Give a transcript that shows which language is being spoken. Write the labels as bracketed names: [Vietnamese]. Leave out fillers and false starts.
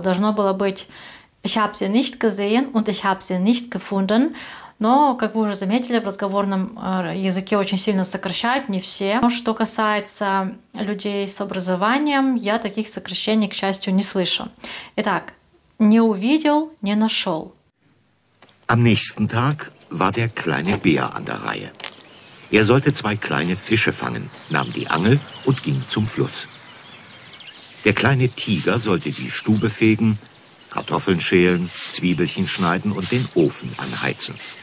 [Russian] Должно было быть [German] «Ich habe sie nicht gesehen» und «Ich habe sie nicht gefunden». [Russian] Но, как вы уже заметили, в разговорном языке очень сильно сокращают, не все. Но что касается людей с образованием, я таких сокращений, к счастью, не слышу. Итак, не увидел, не нашел. [German] Am nächsten Tag war der kleine Bär an der Reihe. Sollte zwei kleine Fische fangen, nahm die Angel und ging zum Fluss. Der kleine Tiger sollte die Stube fegen, Kartoffeln schälen, Zwiebelchen schneiden und den Ofen anheizen.